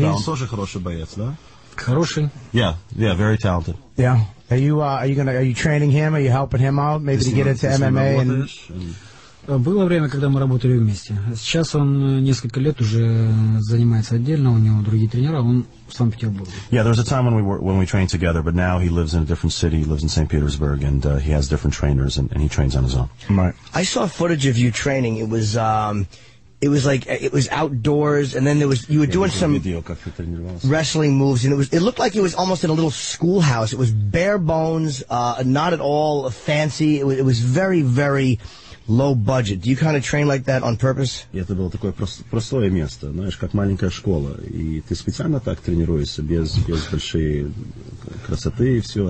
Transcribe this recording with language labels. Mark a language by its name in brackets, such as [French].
[Russian] Да, он тоже хороший боец, да? Хороший. [English] Yeah, very talented. Yeah. Are you training him? Are you helping him out? Maybe to get into MMA? [Russian] Было время, когда мы работали вместе. Сейчас он несколько лет уже занимается отдельно. У него другие тренера. Он в Санкт-Петербурге. [English] Yeah, there was a time when we trained together, but now he lives in a different city. He lives in St. Petersburg, and he has different trainers, and he trains on his own. Right. I saw footage of you training. It was outdoors, and then you were doing some video, wrestling moves, and it looked like it was almost in a little schoolhouse. It was bare bones, not at all fancy. It was very, very low budget. Do you kind of train like that on purpose? [Russian] Это было такое простое место, знаешь, как маленькая школа, и ты специально так тренируешься без большой красоты и все.